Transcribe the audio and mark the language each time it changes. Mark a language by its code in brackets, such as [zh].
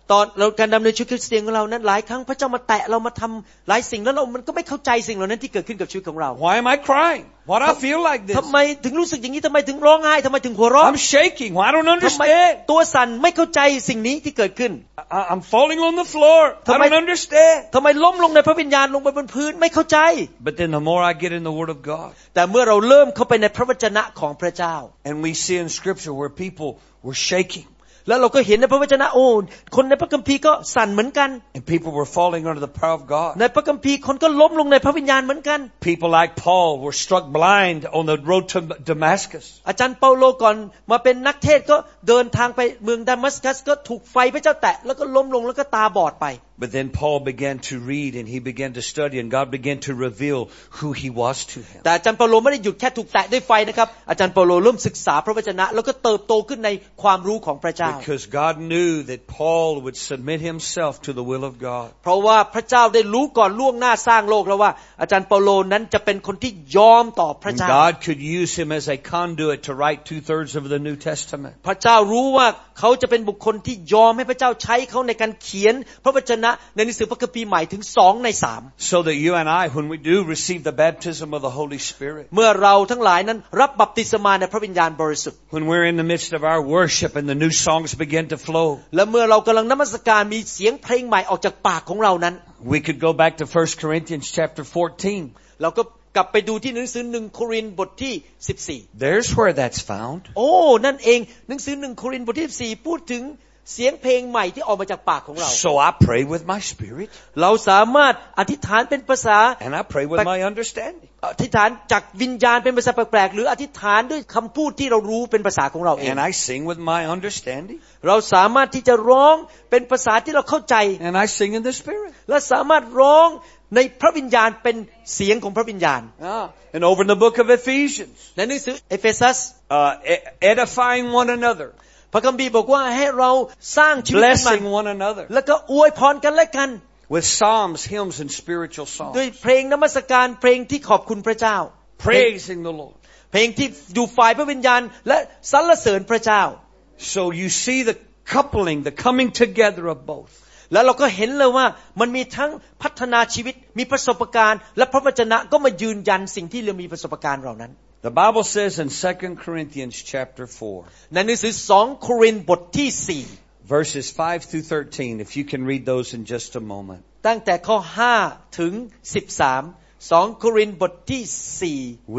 [th] ตอนเราการดำเนินชีวิตคริสเตียนของเรานั้นหลายครั้งพระเจ้ามาแตะเรามาทำหลายสิ่งแล้วเรามันก็ไม่เข้าใจสิ่งเหล่านั้นที่เกิดขึ้นกับชีวิตของเรา [en] Why am I crying? What I feel like this [th] ทำไมถึงรู้สึกอย่างนี้ทำไมถึงร้องไห้ทำไมถึงหัวเราะ [en] I'm shaking Why I don't understand [th] ทำไมตัวสั่นไม่เข้าใจสิ่งนี้ที่เกิดขึ้น [en] I'm falling on the floor I don't understand [th] ทำไมล้มลงในพระวิญญาณลงไปบนพื้นไม่เข้าใจ [en] But then the more I get in the Word of God [th] แต่เมื่อเราเริ่มเข้าไปในพระวจนะของพระเจ้า [en] And we see in Scripture where people were shaking [th] แล้วเราก็เห็นในพระวจนะโอ้คนในพระคัมภีร์ก็สั่นเหมือนกัน [en] And people were falling under the power of God [th] ในพระคัมภีร์คนก็ล้มลงในพระวิญญาณเหมือนกัน [en] People like Paul were struck blind on the road to Damascus [th] อาจารย์เปาโลก่อนมาเป็นนักเทศก็เดินทางไปเมืองดามัสกัสก็ถูกไฟพระเจ้าแตะแล้วก็ล้มลงแล้วก็ตาบอดไป [en] But then Paul began to read and he began to study and God began to reveal who he was to him [th] แต่อาจารย์เปาโลไม่ได้หยุดแค่ถูกแตะด้วยไฟนะครับอาจารย์เปาโลเริ่มศึกษาพระวจนะแล้วก็เติบโตขึ้นในความรู้ของพระเจ้า [en] Because God knew that Paul would submit himself to the will of God. [th] เพราะว่าพระเจ้าได้รู้ก่อนล่วงหน้าสร้างโลกแล้วว่าอาจารย์เปาโลนั้นจะเป็นคนที่ยอมต่อพระเจ้า [en] God could use him as a conduit to write 2/3 of the New Testament. [th] พระเจ้ารู้ว่าเขาจะเป็นบุคคลที่ยอมให้พระเจ้าใช้เขาในการเขียนพระวจนะในหนังสือพระคัมภีร์ใหม่ถึง2ใน3 [en] So that you and I when we do receive the baptism of the Holy Spirit. [th] เมื่อเราทั้งหลายนั้นรับบัพติศมาในพระวิญญาณบริสุทธิ์ [en] When we're in the midst of our worship and the new songbegin to flow [th] และเมื่อเรากําลังนมัสการมีเสียงเพลงใหม่ออกจากปากของเรานั้น [en] we could go back to 1 Corinthians chapter 14 [th] เราก็กลับไปดูที่หนังสือ1โครินธ์บทที่14 [en] there's where that's found [th] โอ้นั่นเองหนังสือ1โครินธ์บทที่14พูดถึงเสียงเพลงใหม่ที่ออกมาจากปากของเรา [en] so I pray with my spirit [th] เราสามารถอธิษฐานเป็นภาษา [en] and I pray with my understanding [th] อธิษฐานจากวิญญาณเป็นภาษาแปลกๆหรืออธิษฐานด้วยคำพูดที่เรารู้เป็นภาษาของเราเอง [en] And I sing with my understanding [th] เราสามารถที่จะร้องเป็นภาษาที่เราเข้าใจ [en] And I sing in the spirit [th] และสามารถร้องในพระวิญญาณเป็นเสียงของพระวิญญาณ [en] And over in the book of Ephesians [th] ในหนังสือเอเฟซัส [en] edifying one another [th] พระคัมภีร์บอกว่าให้เราสร้างชีวิ ใหม่ [en] blessing one another [th] แล้วก็อวยพรกันและกัน [en] With psalms, hymns, and spiritual songs. [th] ด้วยเพลงนมัสการเพลงที่ขอบคุณพระเจ้า [en] Praising the Lord. [th] เพลงที่ดูฝ่ายพระวิญญาณและสรรเสริญพระเจ้า [en] So you see the coupling, the coming together of both. [th] แล้วเราก็เห็นเลยว่ามันมีทั้งพัฒนาชีวิตมีประสบการณ์และพระวจนะก็มายืนยันสิ่งที่เรามีประสบการณ์เหล่านั้น [en] The Bible says in 2 Corinthians chapter 4. [th] ในหนังสือ2โครินธ์บทที่4 [en] Verses 5 through 13, if you can read those in just a moment. [th] ตั้งแต่ข้อ5ถึง13 2 Corinthians บทที่4